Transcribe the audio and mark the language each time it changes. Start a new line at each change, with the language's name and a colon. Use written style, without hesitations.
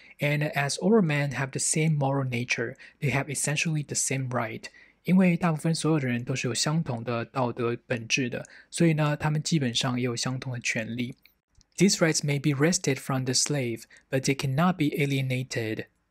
English: And as all men have the same moral nature, they have essentially the same right.
Chinese: 因为大部分所有的人都是有相同的道德本质的，所以呢，他们基本上也有相同的权利。
English: These rights may be wrested from the slave, but they cannot be alienated.